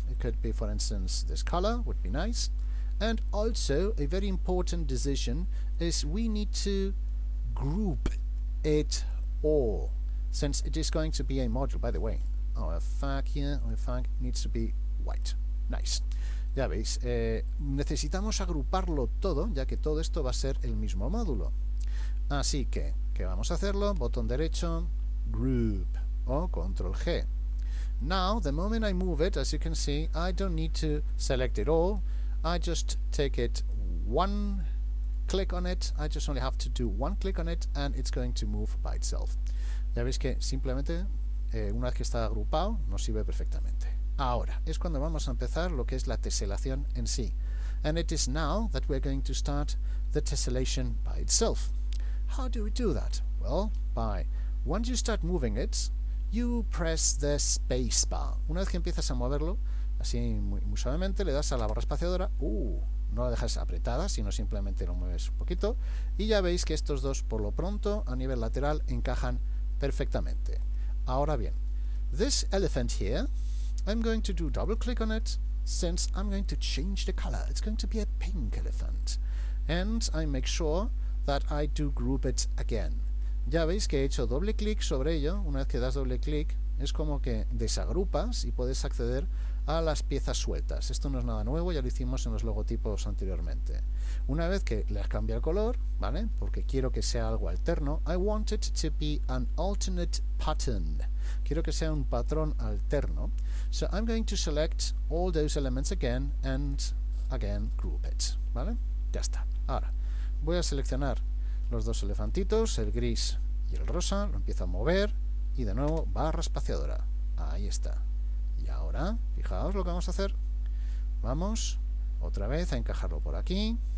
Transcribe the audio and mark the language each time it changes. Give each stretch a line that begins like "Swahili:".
English: It could be, for instance, this color would be nice. And also, a very important decision is we need to group it all, since it is going to be a module. By the way, our fag here, our fag needs to be white. Nice.
Spanish: Ya veis, necesitamos agruparlo todo, ya que todo esto va a ser el mismo módulo. Así que vamos a hacerlo, botón derecho, group, o control G.
English: Now, the moment I move it, as you can see, I don't need to select it all. I just take it one click on it. I just only have to do one click on it and it's going to move by itself.
Spanish: Ya veis que simplemente, una vez que está agrupado, nos sirve perfectamente. Ahora, es cuando vamos a empezar lo que es la tesselación en sí.
English: And it is now that we're going to start the tessellation by itself. How do we do that? Well, by, once you start moving it, you press the space bar.
Spanish: Una vez que empiezas a moverlo, así muy suavemente, le das a la barra espaciadora, no la dejas apretada, sino simplemente lo mueves un poquito, y ya veis que estos dos, por lo pronto, a nivel lateral, encajan perfectamente. Ahora bien,
English: this elephant here, I'm going to do double click on it, since I'm going to change the color. It's going to be a pink elephant. And I make sure that I do group it again.
Spanish: Ya veis que he hecho doble clic sobre ello. Una vez que das doble clic, es como que desagrupas y puedes acceder a las piezas sueltas. Esto no es nada nuevo, ya lo hicimos en los logotipos anteriormente. Una vez que le has cambiado el color, ¿vale? Porque quiero que sea algo alterno.
English: I want it to be an alternate pattern.
Spanish: Quiero que sea un patrón alterno.
English: So I'm going to select all those elements again and again group it.
Spanish: ¿Vale? Ya está. Ahora, voy a seleccionar los dos elefantitos, el gris y el rosa. Lo empiezo a mover y de nuevo barra espaciadora. Ahí está. Y ahora, fijaos lo que vamos a hacer. Vamos otra vez a encajarlo por aquí.